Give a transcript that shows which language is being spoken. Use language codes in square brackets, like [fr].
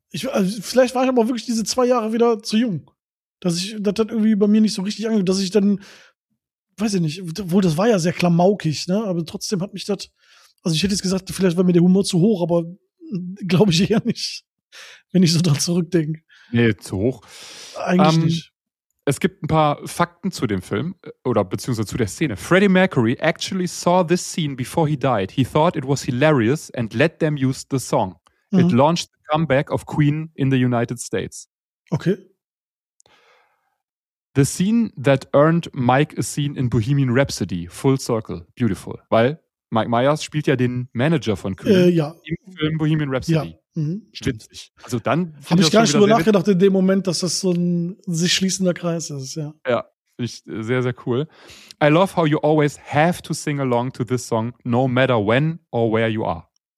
[de] Vielleicht war ich aber wirklich diese zwei Jahre wieder zu jung. Das hat irgendwie bei mir nicht so richtig angehört, dass ich dann, weiß ich nicht, obwohl das war ja sehr klamaukig, ne? Aber trotzdem hat mich das. Also ich hätte jetzt gesagt, vielleicht war mir der Humor zu hoch, aber glaube ich eher nicht, wenn ich so dran zurückdenke. Nee, zu hoch. Eigentlich nicht. Es gibt ein paar Fakten zu dem Film oder beziehungsweise zu der Szene. [en] Freddie Mercury actually saw this scene before he died. He thought it was hilarious and let them use the song. Mhm. It launched the comeback of Queen in the United States. [de] Okay. [en] The scene that earned Mike a scene in Bohemian Rhapsody, full circle, beautiful. [de] Weil Mike Myers spielt ja den Manager von Queen im Film Bohemian Rhapsody. Ja. Mhm. Stimmt. Also dann habe ich gar nicht drüber nachgedacht in dem Moment, dass das so ein sich schließender Kreis ist. Ja, ja, finde ich sehr, sehr cool. [en] I love how you always have to sing along to this song, no matter when or where you are.